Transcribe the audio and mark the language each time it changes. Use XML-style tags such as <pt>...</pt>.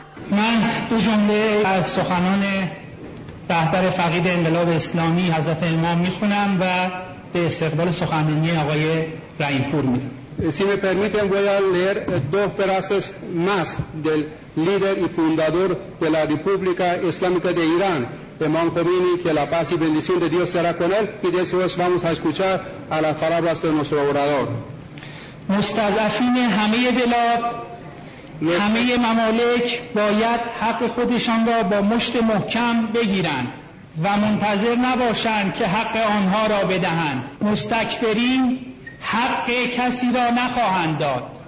<fa>من دو جمله از سخنان رهبر فقید انقلاب اسلامی حضرت امام میخونم و به استقبال سخنرانی آقای رحیم‌پور میرم.</fa> <es>Si me permiten voy a leer dos frases más del líder y fundador de la República Islámica de Irán, Imam Khomeini, que la paz y bendición de Dios será con él, y después vamos a escuchar a las palabras de nuestro orador.</es> <fa>مستضعفین همه بلاد، همه ممالک باید حق خودشان را با مشت محکم بگیرند و منتظر نباشند که حق آنها را بدهند. مستکبرین حق کسی را نخواهند داد.</fa>